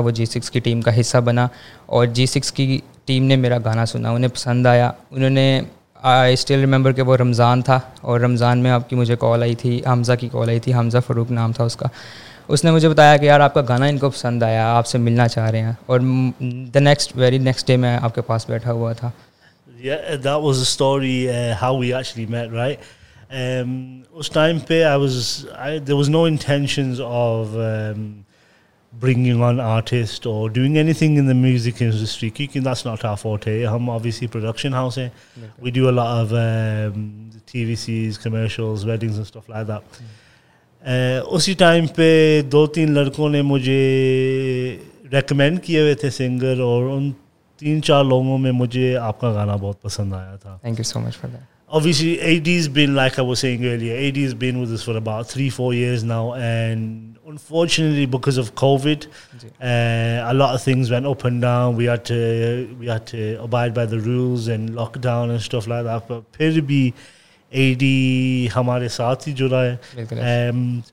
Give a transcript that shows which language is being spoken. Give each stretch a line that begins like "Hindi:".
Hindi: वो G6 की team का हिस्सा बना, और G6 की टीम ने मेरा गाना सुना, उन्हें पसंद आया. उन्होंने,
English: I still remember
Hindi: कि वो रमज़ान था, और रमज़ान में आपकी मुझे कॉल आई थी, हमज़ा की कॉल आई थी, हमज़ा फ़ारूक नाम था उसका. उसने मुझे बताया कि यार आपका गाना इनको पसंद आया, आपसे मिलना चाह रहे हैं. और
English: the next, very next day
Hindi: मैं आपके पास बैठा हुआ था.
English: Yeah, that was a story how we actually met, right?
Hindi: उस टाइम पे
English: there was no intentions of bringing on artist or doing anything in the music industry, because that's not our forte.
Hindi: हम obviously production house हैं.
English: We do a lot of TVCs, commercials, weddings and stuff like that.
Hindi: उसी time पे दो तीन लड़कों ने मुझे recommend किए हुए थे सिंगर, और उन तीन चार लोगों में मुझे आपका गाना बहुत पसंद आया था.
English: Thank you so much for that. obviously AD's been, like I was saying earlier, AD's been with us for about 3-4 years now, and unfortunately because of COVID, a lot of things went up and down. We had to abide by the rules and lockdown and stuff like that.
Hindi: But phir bhi AD hamare saath hi jura hai.